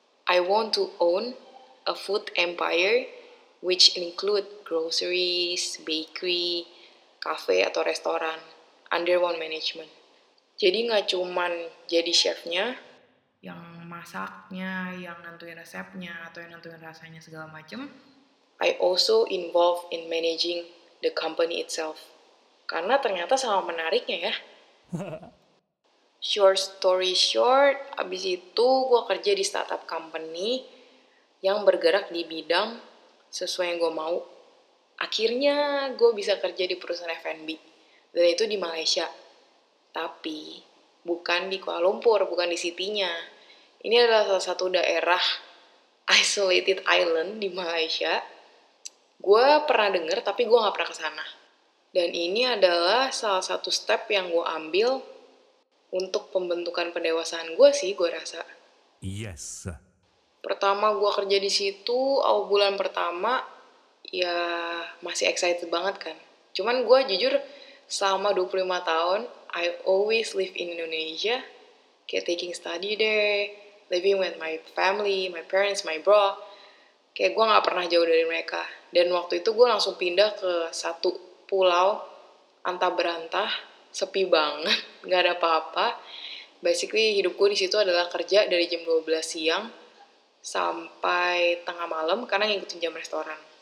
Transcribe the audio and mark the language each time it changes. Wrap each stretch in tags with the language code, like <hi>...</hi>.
<en>I want to own a food empire which include groceries, bakery, cafe</en> <id>atau restoran</id> <en>under one management.</en> <id>Jadi gak cuman jadi chefnya yang masaknya, yang nentuin resepnya atau yang nentuin rasanya segala macem.</id> <en>I also involve in managing the company itself.</en> <id>Karena ternyata sama menariknya ya.</id> <en>Short story short,</en> <id>abis itu gue kerja di startup company yang bergerak di bidang sesuai yang gue mau. Akhirnya gue bisa kerja di perusahaan F&B, dan itu di Malaysia. Tapi bukan di Kuala Lumpur, bukan di city-nya. Ini adalah salah satu daerah isolated island di Malaysia. Gue pernah dengar, tapi gue gak pernah kesana. Dan ini adalah salah satu step yang gue ambil untuk pembentukan pendewasaan gue sih, gue rasa.</id> <en>Yes.</en> <id>Pertama gue kerja di situ, awal bulan pertama, ya masih excited banget kan. Cuman gue jujur, selama 25 tahun,</id> <en>I always live in Indonesia. Kayak taking study there, living with my family, my parents, my bro.</en> <id>Kayak gue gak pernah jauh dari mereka. Dan waktu itu gue langsung pindah ke satu pulau antah berantah, sepi banget, gak ada apa-apa. Basically hidup gue di situ adalah kerja dari jam 12 siang sampai tengah malam karena ngikutin jam restoran.</id>